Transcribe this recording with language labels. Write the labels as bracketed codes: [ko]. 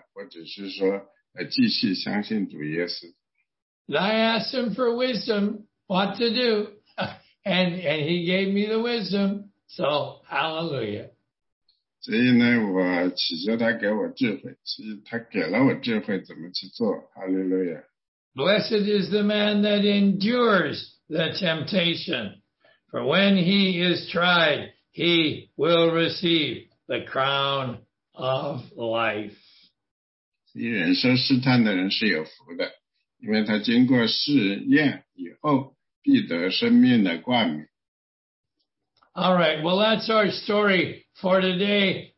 [zh] 你会说呢，是在我的人生中呢，有很多时间是非常艰难的，我只是说继续相信主耶稣。 [en] And I asked him for wisdom, what to do, and he gave me the wisdom. So, hallelujah. [zh] 所以呢，我祈求他给我智慧，他给了我智慧，怎么去做？Hallelujah. [en] Blessed is the man that endures the temptation, for when he is tried, he will receive the crown of life. [zh] 所以忍受试探的人是有福的，因为他经过试验以后，必得生命的冠冕。 [en] All right, well, that's our story for today.